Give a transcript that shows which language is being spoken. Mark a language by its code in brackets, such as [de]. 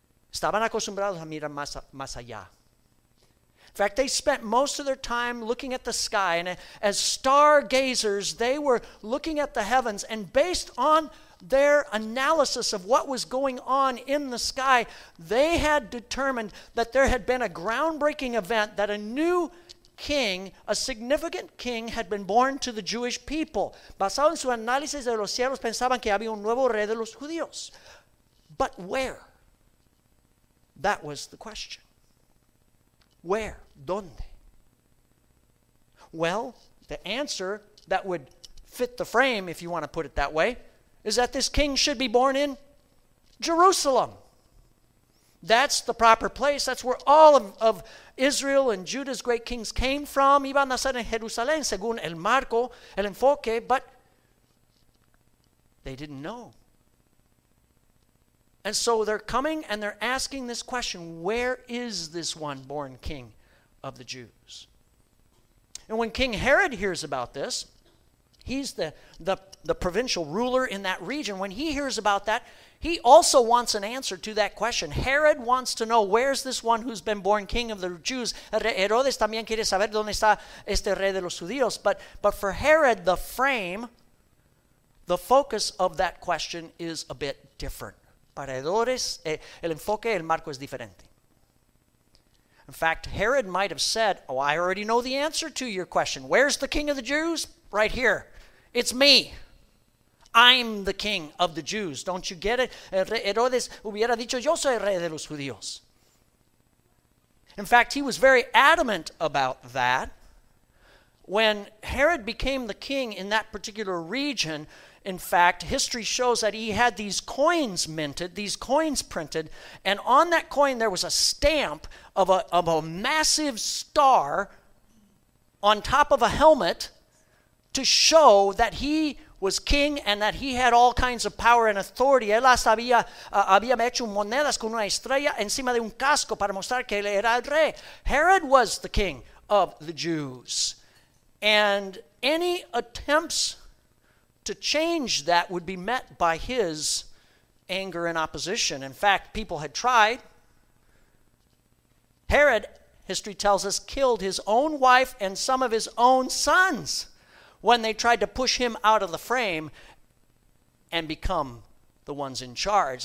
[es] Estaban acostumbrados a mirar más allá. [en] In fact, they spent most of their time looking at the sky, and as stargazers, they were looking at the heavens, and based on their analysis of what was going on in the sky, they had determined that there had been a groundbreaking event, that a new king, a significant king, had been born to the Jewish people. [es] Basado en su análisis de los cielos, pensaban que había un nuevo rey de los judíos. [en] But where? That was the question. Where? ¿Dónde? Well, the answer that would fit the frame, if you want to put it that way, is that this king should be born in Jerusalem. That's the proper place. That's where all of Israel and Judah's great kings came from. [es] Iban a nacer en Jerusalén, según el marco, el enfoque, [en] but they didn't know. And so they're coming and they're asking this question: where is this one born king of the Jews? And when King Herod hears about this, he's the provincial ruler in that region. When he hears about that, he also wants an answer to that question. Herod wants to know, where's this one who's been born king of the Jews? [es] Herodes también quiere saber dónde está este rey de los judíos. [en] But for Herod, the frame, the focus of that question is a bit different. [es] paredores, el enfoque, el marco es diferente. [en] In fact, Herod might have said, oh, I already know the answer to your question. Where's the king of the Jews? Right here. It's me. I'm the king of the Jews. Don't you get it? [es] Herodes hubiera dicho, yo soy rey de los judíos. [en] In fact, he was very adamant about that. When Herod became the king in that particular region, in fact, history shows that he had these coins minted, these coins printed, and on that coin there was a stamp of a massive star on top of a helmet to show that he was king and that he had all kinds of power and authority. [es] Él había, había hecho monedas con una estrella encima de un casco para mostrar que él era el rey. [en] Herod was the king of the Jews. And any attempts to change that would be met by his anger and opposition. In fact, people had tried. Herod, history tells us, killed his own wife and some of his own sons when they tried to push him out of the frame and become the ones in charge.